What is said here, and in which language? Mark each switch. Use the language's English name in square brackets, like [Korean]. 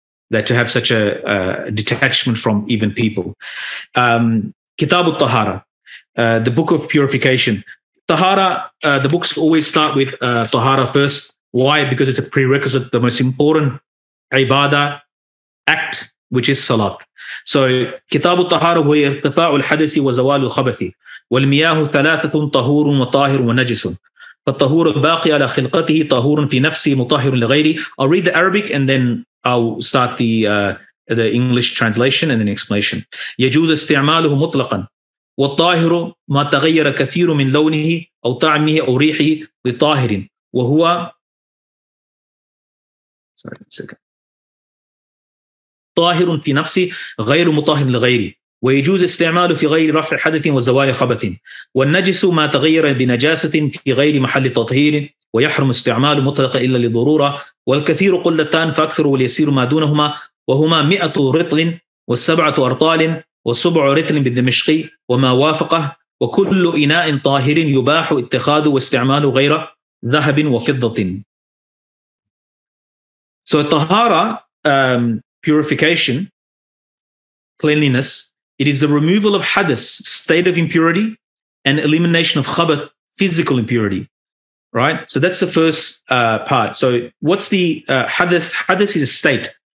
[English] That to have such a detachment from even people. Kitab al-Tahara, the book of purification. Tahara, the books always start with Tahara first. Why? Because it's a prerequisite, the most important ibadah act, which is salat. [Arabic] So كتاب الطهارة هو ارتفاع الحدث وزوال الخبث والمياه ثلاثة طهور وطاهر ونجس فالطهور الباقي على خلقته طهور في نفسه مطهر لغيره. [English] I'll read the Arabic and then I'll start the English translation and then explanation. [Arabic] يجوز استعماله مطلقا والطاهر ما تغير كثير من لونه أو طعمه أو ريحه بطاهر وهو طاهر في نفسي غير مطهر لغيري ويجوز استعماله في غير رفع حدث وزوال خبث والنجس ما تغير بنجاسة في غير محل تطهير ويحرم استعمال مطلق إلا لضرورة والكثير قلتان فأكثر واليسير ما دونهما وهما 100 رطل والسبعة أرطال وسبع رطل بالدمشقي وما وافقه وكل إناء طاهر يباح اتخاذه واستعماله غير ذهب وفضة. [English] So الطهارة, purification, cleanliness, it is the removal of hadas, state of impurity, and elimination of khabath, physical impurity, right? So that's the first part. So what's the hadas? Hadas is a state.